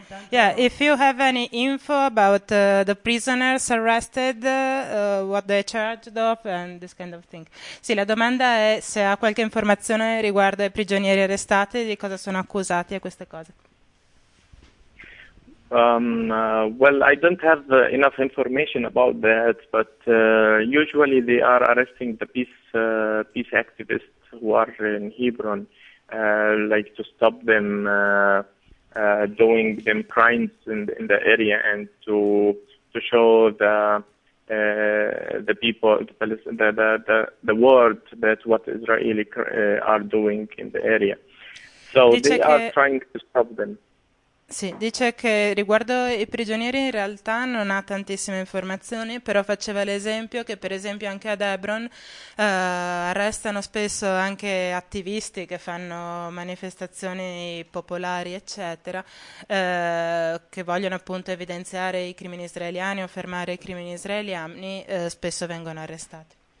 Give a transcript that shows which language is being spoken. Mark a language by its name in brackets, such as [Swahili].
[English] Yeah, if you have any info about the prisoners arrested, what they're charged of, and this kind of thing. [Italian] Sì, la domanda è se ha qualche informazione riguardo ai prigionieri arrestati, di cosa sono accusati e queste cose. [English] Well, I don't have enough information about that, but usually they are arresting the peace activists who are in Hebron, like to stop them doing them crimes in the area, and to show the people, the world that what Israeli are doing in the area. So they are trying to stop them. [Italian] Dice che riguardo i prigionieri in realtà non ha tantissime informazioni, però faceva l'esempio che per esempio anche ad Hebron arrestano spesso anche attivisti che fanno manifestazioni popolari, eccetera, che vogliono appunto evidenziare i crimini israeliani o fermare i crimini israeliani, spesso vengono arrestati.